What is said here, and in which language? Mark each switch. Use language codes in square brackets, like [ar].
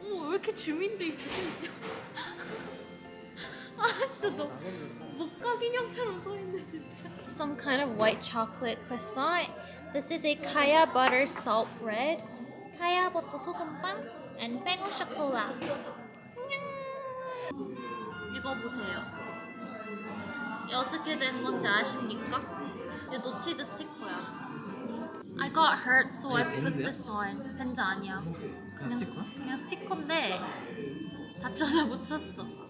[ko] 이렇게 주민돼 있어 심지어. 아 진짜 너 목각 인형처럼 서 있네 진짜. [en] Some kind of white chocolate croissant. This is a kaya butter salt bread. Kaya butter 소금빵 and bango chocolate. [ko] 이거 보세요. 이게 어떻게 된 건지 아십니까? 이게 노티드 스티커야. [en] I got hurt so I put this on. [ko] 밴드 아니야. 그냥 스티커? 그냥 스티커인데 다쳐서 묻혔어.